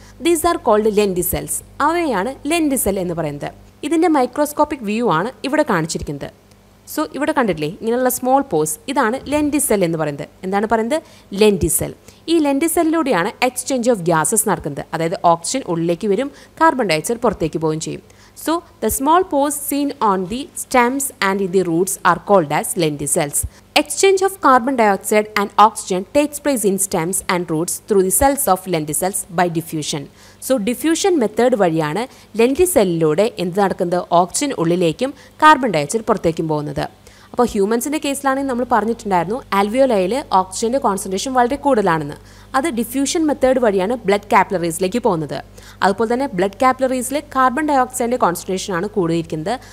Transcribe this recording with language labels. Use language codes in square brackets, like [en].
[en] These are called lenticels. [ml] അവയാണ് lenticel എന്ന് പറയുന്നത്. ഇതിൻ്റെ മൈക്രോസ്കോപ്പിക് വ്യൂ ആണ് ഇവിടെ കാണിച്ചിരിക്കുന്നത്. സോ ഇവിടെ കണ്ടിട്ടില്ലേ ഇങ്ങനെയുള്ള സ്മോൾ പോസ്, ഇതാണ് ലെൻറ്റിസെൽ എന്ന് പറയുന്നത്. എന്താണ് പറയുന്നത്? ലെൻറ്റിസെൽ. ഈ ലെൻറ്റിസെല്ലിലൂടെയാണ് എക്സ്ചേഞ്ച് ഓഫ് ഗ്യാസസ് നടക്കുന്നത്. അതായത് ഓക്സിജൻ ഉള്ളിലേക്ക് വരും, കാർബൺ ഡയോക്സൈഡ് പുറത്തേക്ക് പോവുകയും ചെയ്യും. [en] So, the small pores seen on the stems and in the roots are called as lenticels. Exchange of carbon dioxide and oxygen takes place in stems and roots through the cells of lenticels by diffusion. [ml] So, diffusion method വഴിയാണ് ലെൻറ്റിസെല്ലിലൂടെ എന്ത് നടക്കുന്നത്? Oxygen ഉള്ളിലേക്കും carbon dioxide പുറത്തേക്കും പോകുന്നത്. അപ്പോൾ ഹ്യൂമൻസിൻ്റെ കേസിലാണെങ്കിൽ നമ്മൾ പറഞ്ഞിട്ടുണ്ടായിരുന്നു ആൽവിയോലയിൽ ഓക്സിജൻ്റെ concentration വളരെ കൂടുതലാണെന്ന്. അത് ഡിഫ്യൂഷൻ മെത്തേഡ് വഴിയാണ് ബ്ലഡ് കാപ്പിലറീസിലേക്ക് പോകുന്നത്. അതുപോലെ തന്നെ ബ്ലഡ് കാപ്പിലറീസിൽ കാർബൺ ഡയോക്സൈഡിൻ്റെ കോൺസെൻട്രേഷനാണ് കൂടിയിരിക്കുന്നത്.